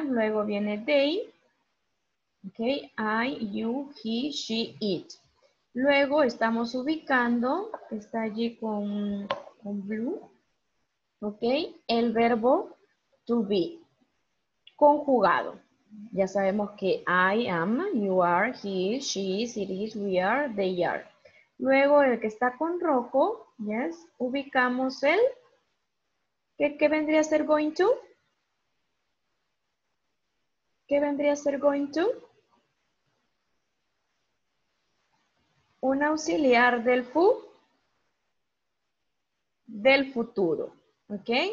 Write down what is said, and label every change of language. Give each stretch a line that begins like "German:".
Spanish: Luego viene they. Ok, I, you, he, she, it. Luego estamos ubicando, está allí con blue, ok, el verbo to be, conjugado. Ya sabemos que
English: I am, you are, he is, she is, it is, we are, they are.
Spanish: Luego el que está con rojo, yes, ubicamos el, ¿qué vendría a ser going to? ¿Qué vendría a ser going to? un auxiliar del fu del futuro, ¿ok?